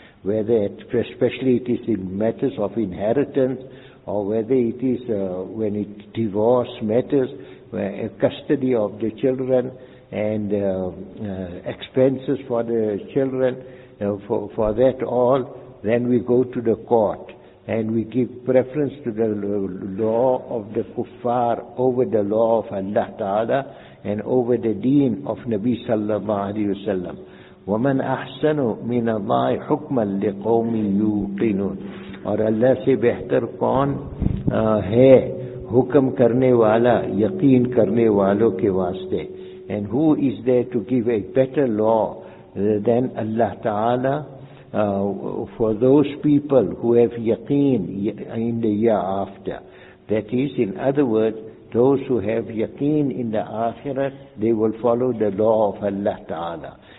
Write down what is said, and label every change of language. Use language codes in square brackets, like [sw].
[en] Whether especially it is in matters of inheritance, or whether it is when it divorce matters, custody of the children and expenses for the children, for that all, then we go to the court and we give preference to the law of the kuffar over the law of Allah Ta'ala and over the deen of Nabi Sallallahu Alaihi Wasallam. [ar] وَمَنْ أَحْسَنُ مِنَ اللَّهِ حُكْمًا لِقَوْمٍ يُوقِنُونَ. [ur] اور اللہ سے بہتر کون ہے حکم کرنے والا یقین کرنے والوں کے واسطے. [en] And who is there to give a better law than Allah Ta'ala for those people who have yaqeen in the year after? That is, in other words, those who have yaqeen in the akhirah, they will follow the law of Allah Ta'ala.